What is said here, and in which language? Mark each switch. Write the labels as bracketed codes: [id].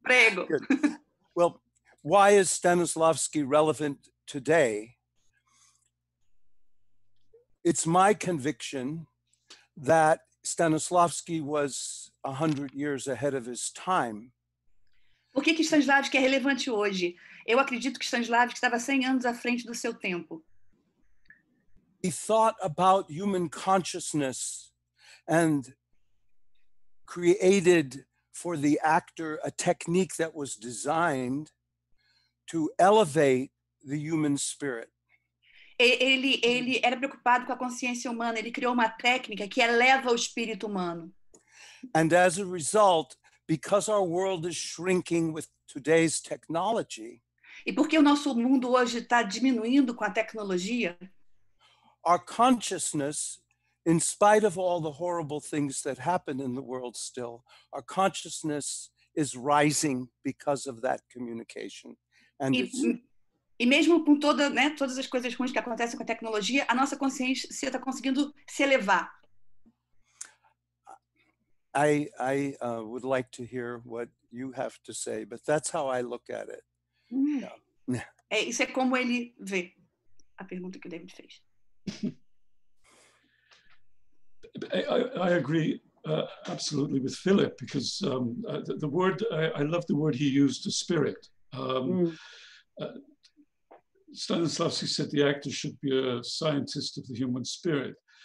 [en] Prego. Good. Well, why is Stanislavski relevant today? It's my conviction that Stanislavski was 100 years ahead of his time. [pt] Por que Stanislavski é relevante hoje? Eu acredito que Stanislavski estava 100 anos à frente do seu tempo. [en] He thought about human consciousness and created for the actor a technique that was designed to elevate the human spirit. [pt] Ele era preocupado com a consciência humana. Ele criou uma técnica que eleva o espírito humano. [en] And as a result, because our world is shrinking with today's technology. [pt] E porque o nosso mundo hoje está diminuindo com a tecnologia? [en] Our consciousness, in spite of all the horrible things that happen in the world still, our consciousness is rising because of that communication. [pt] And e mesmo com toda, né, todas as coisas ruins que acontecem com a tecnologia, a nossa consciência está conseguindo se elevar. [en] I would like to hear what you have to say, but that's how I look at it. Yeah. [pt] Isso é como ele vê a pergunta que o David fez. [en] I agree absolutely with Philip, because the word, I love the word he used, the spirit. Stanislavski said the actor should be a scientist of the human spirit.